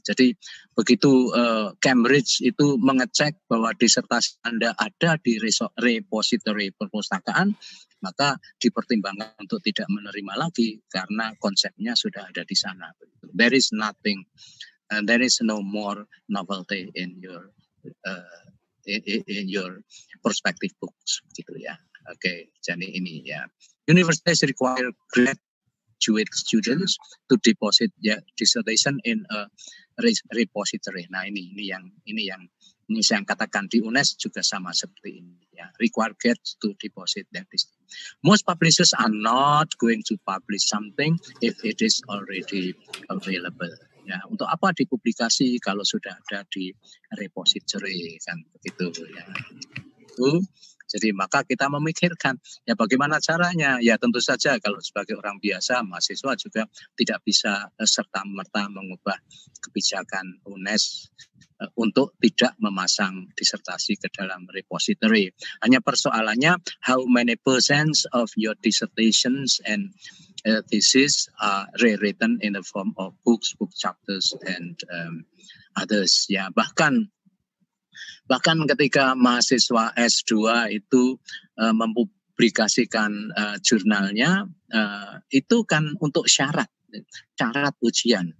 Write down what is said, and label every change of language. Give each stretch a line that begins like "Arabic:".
Indonesian: Jadi begitu Cambridge itu mengecek bahwa disertasi Anda ada di repository perpustakaan, maka dipertimbangkan untuk tidak menerima lagi karena konsepnya sudah ada di sana.
English: There is nothing and there is no more novelty in your in your prospective books,
Indonesian: gitu ya. Oke, jadi ini ya.
English: Universities require graduate students to deposit ya dissertation in a repository.
Indonesian: Nah, ini saya katakan di UNES juga sama seperti ini ya.
English: Require kids to deposit their dissertation. Most publishers are not going to publish something if it is already available.
Indonesian: Ya, untuk apa dipublikasi kalau sudah ada di repository kan begitu ya. Jadi maka kita memikirkan ya bagaimana caranya. Ya tentu saja kalau sebagai orang biasa mahasiswa juga tidak bisa serta-merta mengubah kebijakan UNES untuk tidak memasang disertasi ke dalam repository. Hanya persoalannya
English: how many percent of your dissertations and thesis are rewritten in the form of books, book chapters, and others.
Indonesian: Ya, bahkan ketika mahasiswa S2 itu mempublikasikan jurnalnya, itu kan untuk syarat ujian.